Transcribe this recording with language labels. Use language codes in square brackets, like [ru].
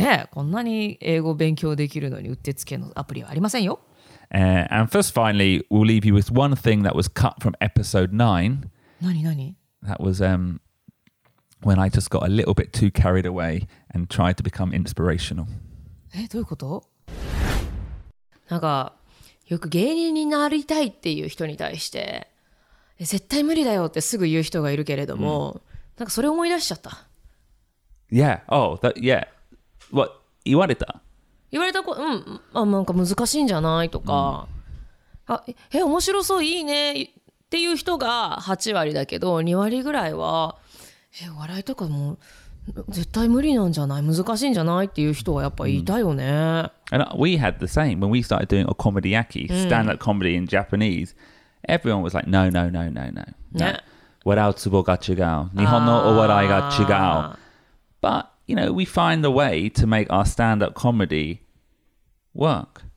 [ja] ね、こんなに英語勉強できるのにうってつけのアプリはありませんよ。 [en] And first, finally, we'll leave you with one thing that was cut from episode 9. [ja] 何何 [en] That was when I just got a little bit too carried away and tried to become inspirational. [ja] え、どういうこと？なんかよく芸人になりたいっていう人に対して、絶対無理だよってすぐ言う人がいるけれども、なんかそれ思い出しちゃった。 [en] Yeah. Oh, that. Yeah. What? [ja] 言われた言われた子、うん、あ、なんか難しいんじゃないとか、うん、あ、え、面白そう、いいねっていう人が8割だけど、2割ぐらいは、え、笑いとかも絶対無理なんじゃない、難しいんじゃないっていう人はやっぱいたよね、うん、 [en] And we had the same when we started doing a comedy yaki, stand-up comedy in Japanese. Everyone was like, no, no, no, no, no, no.、 [ja] ね、笑うツボが違う。日本のお笑いが違う。 [en] But, you know, we find a way to make our stand-up comedy work.